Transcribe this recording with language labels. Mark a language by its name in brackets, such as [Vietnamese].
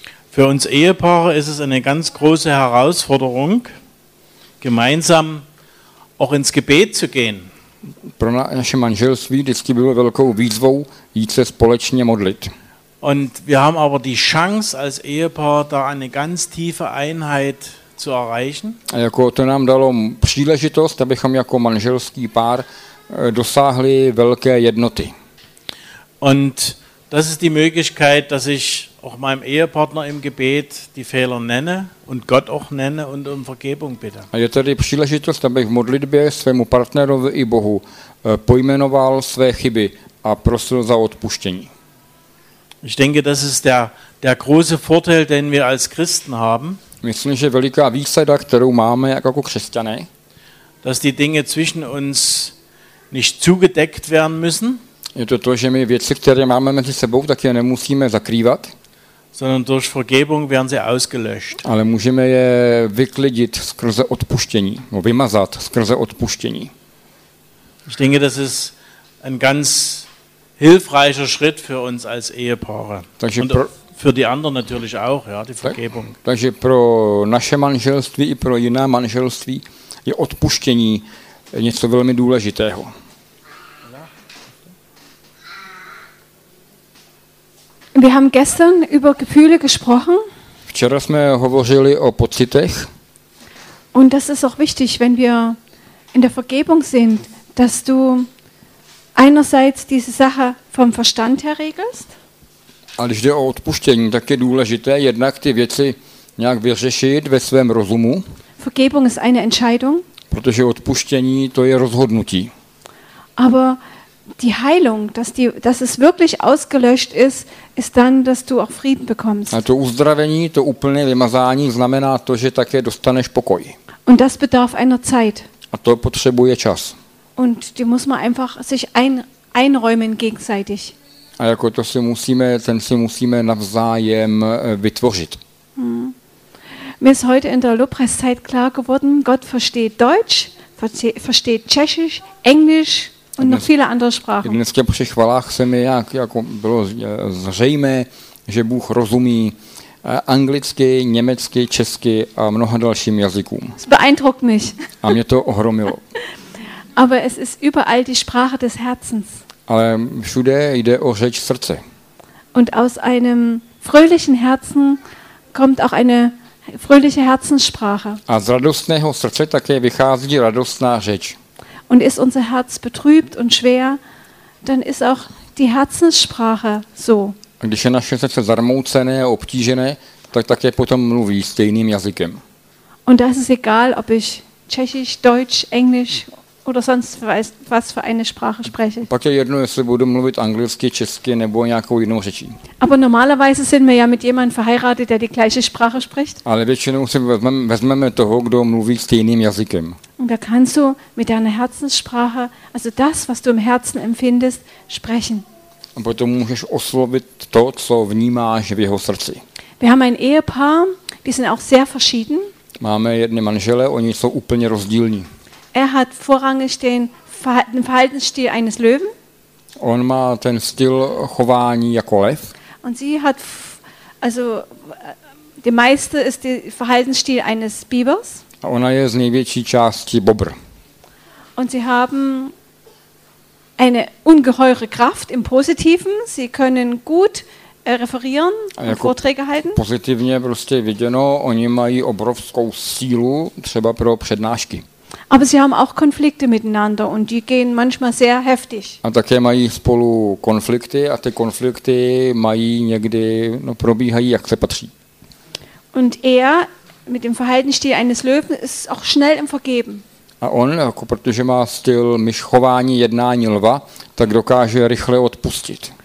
[German] Für uns Ehepaare ist es eine ganz große Herausforderung, gemeinsam auch ins Gebet zu gehen. [Czech] Pro naše manželství vždycky bylo velkou výzvou jít se společně modlit. [German] Und wir haben aber die Chance als Ehepaar da eine ganz tiefe Einheit zu erreichen. [Czech] A jako to nám dalo příležitost, abychom jako manželský pár dosáhli velké jednoty. [German] Und das ist die Möglichkeit, dass ich auch meinem Ehepartner im Gebet die Fehler nenne und Gott auch nenne und um Vergebung bitte. [Czech] A je tady příležitost, abych v modlitbě svému partnerovi i Bohu pojmenoval své chyby a prosil za odpuštění. [German] Ich denke, das ist der große Vorteil, den wir als Christen haben. [Czech] Myslím, že veliká výsada, kterou máme jako křesťané, [German] dass die Dinge zwischen uns nicht zugedeckt werden müssen. [Czech] Je to to, že my věci, které máme mezi sebou, tak je nemusíme zakrývat. [German] Sondern durch Vergebung werden sie ausgelöscht. [Czech] Ale můžeme je vyklidit skrze odpuštění, no vymazat skrze odpuštění. [German] Ich denke, das ist ein ganz hilfreicher Schritt für uns als Ehepaare. [Czech] Takže [German] und für die anderen natürlich auch, ja, die Vergebung. [Czech] Takže pro naše manželství i pro jiná manželství je odpuštění něco velmi důležitého. [German] Wir haben gestern über Gefühle gesprochen. [Czech] Včera jsme hovořili o pocitech. [German] Und das ist auch wichtig, wenn wir in der Vergebung sind, dass du einerseits diese Sache vom Verstand her regelst. [Czech] A když jde o odpuštění, tak je důležité jednak ty věci nějak vyřešit ve svém rozumu. [German] Vergebung ist eine Entscheidung. [Czech] Protože odpuštění, to je rozhodnutí. [German] Aber die Heilung, dass es wirklich ausgelöscht ist, ist dann, dass du auch Frieden bekommst. [Czech] A to uzdravení, to úplné vymazání znamená to, že také dostaneš pokoj. [German] Und das bedarf einer Zeit. [Czech] A to potřebuje čas. [German] Und die muss man einfach sich einräumen gegenseitig. [Czech] A jako to si musíme, ten si musíme navzájem vytvořit. [German] Mir ist heute in der Lobpreiszeit klar geworden, Gott versteht Deutsch, versteht Tschechisch, Englisch und noch viele andere Sprachen. [Czech] Dneska při chvalách se mi jako bylo zřejmé, že Bůh rozumí anglicky, německy, česky a mnoha dalším jazykům. [German] Es beeindruckt mich. [Czech] A mě to ohromilo. [German] Aber es ist überall die Sprache des Herzens. [Czech] Ale všude jde o řeč srdce. [German] Und aus einem fröhlichen Herzen kommt auch eine fröhliche Herzenssprache. [Czech] A z radostného srdce také vychází radostná řeč. [German] Und ist unser Herz betrübt und schwer, dann ist auch die Herzenssprache so. [Czech] A když je naše srdce zarmoucené a obtížené, tak také potom mluví stejným jazykem. [German] Und das ist egal, ob ich Tschechisch, Deutsch, Englisch oder sonst was für eine Sprache spreche. [Czech] Pak je jedno, jestli budu mluvit anglicky, česky nebo nějakou jinou řečí. [German] Aber normalerweise sind wir ja mit jemandem verheiratet, der die gleiche Sprache spricht. [Czech] Ale většinou si vezmeme toho, kdo mluví stejným jazykem. [German] Und da kannst du mit deiner Herzenssprache, also das, was du im Herzen empfindest, sprechen. [Czech] A potom můžeš oslovit to, co vnímáš v jeho srdci. [German] Wir haben ein Ehepaar, die sind auch sehr verschieden. [Czech] Máme jedny manžele, oni jsou úplně rozdílní. [German] Er hat vorrangig den Verhaltensstil eines Löwen. [Czech] On má ten styl chování jako lev. [German] Und sie hat also der meiste ist der Verhaltensstil eines Bibers. [Czech] A ona je z největší části bobr. [German] Und sie haben eine ungeheure Kraft im Positiven. Sie können gut referieren und jako Vorträge halten. [Czech] Pozitivně prostě viděno, oni mají obrovskou sílu třeba pro přednášky. [German] Aber sie haben auch Konflikte miteinander und die gehen manchmal sehr heftig. [Czech] A také mají spolu konflikty a ty konflikty mají někdy, no probíhají, jak se patří. [German] Und er mit dem Verhaltensstil eines Löwen ist auch schnell im Vergeben. [Czech] A on, jako protože má styl myšchování jednání lva, tak dokáže rychle odpustit.